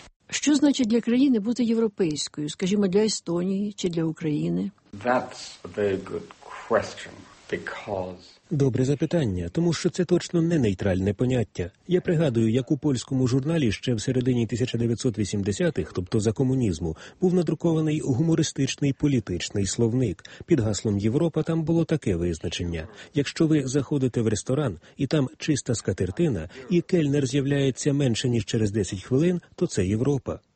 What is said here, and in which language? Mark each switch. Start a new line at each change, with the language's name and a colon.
Ukrainian: Що значить для країни бути європейською, скажімо, для Естонії чи для України?
English: That's a very good question, because...
Ukrainian: Добре запитання, тому що це точно не нейтральне поняття. Я пригадую, як у польському журналі ще в середині 1980-х, тобто за комунізму, був надрукований гумористичний політичний словник. Під гаслом «Європа» там було таке визначення. Якщо ви заходите в ресторан, і там чиста скатертина, і кельнер з'являється менше ніж через 10 хвилин, то це Європа.